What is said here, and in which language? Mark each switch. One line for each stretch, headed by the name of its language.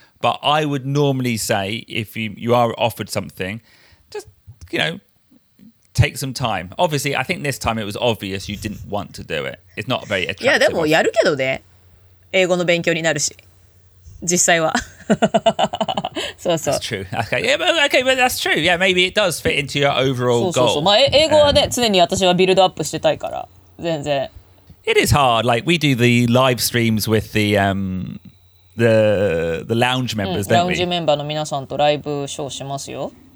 English: But I would normally say, if you are offered something, just, you know, take some time. Obviously, I think this time it was obvious you didn't want to do it. It's not very attractive. Yeah,
Japanese: でもやるけどね。英語の勉強になるし。実際は。そうそう。
English: That's true. Okay. Yeah, but, okay, but that's true. Yeah, maybe it does fit into your overall goal.
Japanese: そうそうそう。まあ、英語はね、常に私はビルドアップしてたいから、全然。
English: It is hard. Like, we do the live streams with the lounge members, don't we?
Japanese: ラウンジメンバーの皆さんとライブショーしますよ。